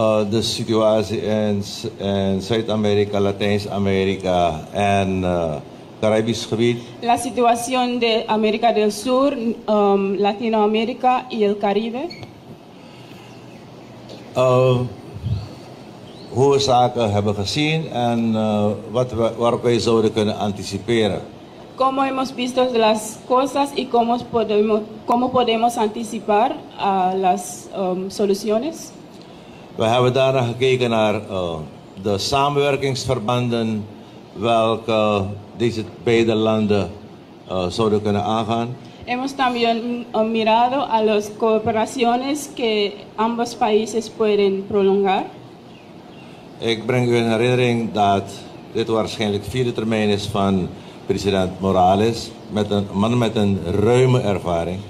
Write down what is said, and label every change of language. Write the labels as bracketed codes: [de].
[nl] De situatie in Zuid-Amerika, Latijns-Amerika en Caribisch gebied. [es] La situación de América del Sur, Latinoamérica y el Caribe. [nl] Hoe we zaken hebben gezien en waarop wij zouden kunnen anticiperen. [es] Como hemos visto las cosas y cómo podemos anticipar a las soluciones. [nl] We hebben daarna gekeken naar de samenwerkingsverbanden welke deze beide landen zouden kunnen aangaan. [es] Hemos también mirado a las cooperaciones que ambos países pueden prolongar. [nl] Ik breng u in herinnering dat dit waarschijnlijk vierde termijn is van president Morales, met een man met een ruime ervaring.